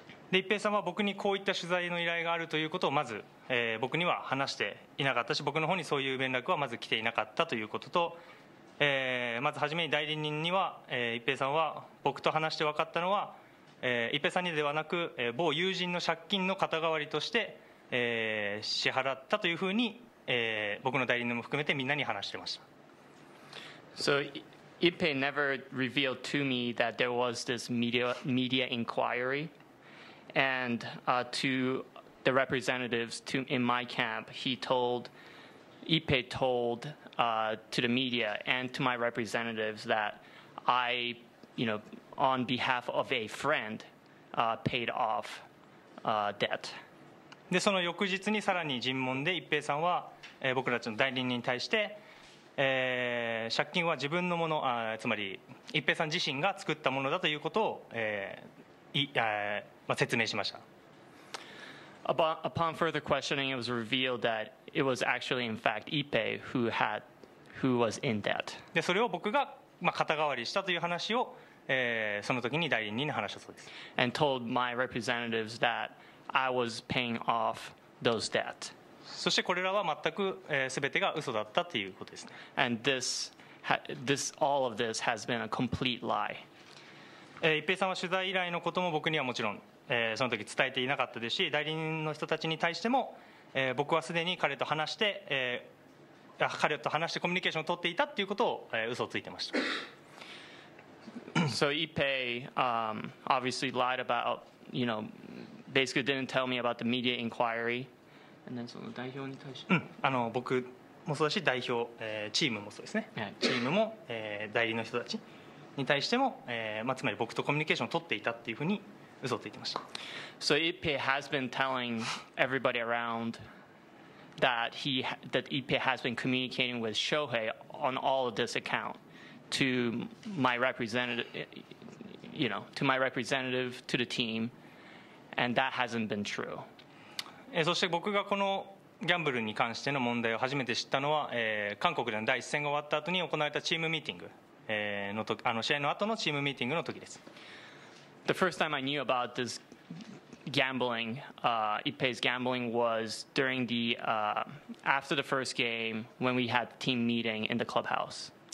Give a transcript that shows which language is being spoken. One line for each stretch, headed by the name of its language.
Japanese: で、一平さんは僕にこういった取材の依頼があるということをまず、僕には話していなかったし、僕の方にそういう連絡はまず来ていなかったということと、まず初めに代理人には、一平さんは僕と話して分かったのは、一平さんにではなく、某友人の借金の肩代わりとして、支払ったというふうに、僕の代理人も含めてみんなに話してました。
English: So Ippe never revealed to me that there was this media inquiry, and to the representatives to in my camp, he told Ippe told to the media and to my representatives that I, you know, on behalf of a friend, paid off debt.
Japanese: でその翌日にさらに尋問で一平さんは、僕たちの代理人に対して、借金は自分のもの、あ、つまり一平さん自身が作ったものだということを、まあ、説明しました。
English: Upon further questioning, it was revealed that it was actually in fact Ippe who was in debt.
Japanese: でそれを僕が、まあ、肩代わりしたという話を、その時に代理人に話したそうです。
English: And told my representatives that I was paying off those debt.
Japanese: そしてこれらは全く、全てが嘘だったということですね。
English: And this all of this has been a complete lie.
Japanese: 一平さんは取材以来のことも僕にはもちろん、その時伝えていなかったですし、代理人の人たちに対しても、僕はすでに彼と話して、彼と話してコミュニケーションを取っていたということを、嘘をついてました。
English: So Ippe, obviously lied about, you know, basically didn't tell me about the media inquiry. And then
Japanese: その代表に対して、うん、あの僕もそうだし代表、チームもそうですね。チームも、代理の人たちに対しても、まあ、つまり僕とコミュニケーションを取っていたっていうふうに嘘をついてました。
English: So Ippe has been telling everybody around that Ippe has been communicating with Shohei on all of this account. To my representative, you know, to my representative, to the team, and that hasn't been true.
Japanese: え、そして僕がこのギャンブルに関しての問題を初めて知ったのは、韓国での第一戦が終わった後に行われたチームミーティング、のとあの試合の後のチームミーティングの時です。
English: The first time I knew about this gambling, Ippe's gambling was during the after the first game when we had team meeting in the clubhouse.